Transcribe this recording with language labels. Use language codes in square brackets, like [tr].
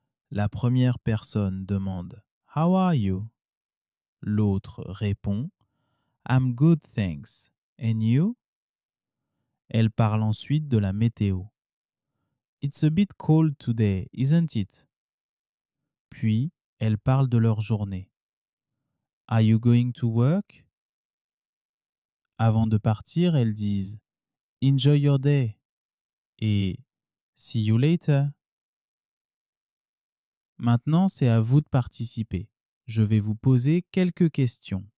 [fr] La première personne demande « [en] How are you ?» [fr] L'autre répond [en] « I'm good, thanks. And you ?» [fr] Elle parle ensuite de la météo. [en] « It's a bit cold today, isn't it ?» [fr] Puis, elle parle de leur journée. [en] « Are you going to work ?» [fr] Avant de partir, elles disent « [en] Enjoy your day !» et « See you later !» [fr] Maintenant, c'est à vous de participer. Je vais vous poser quelques questions.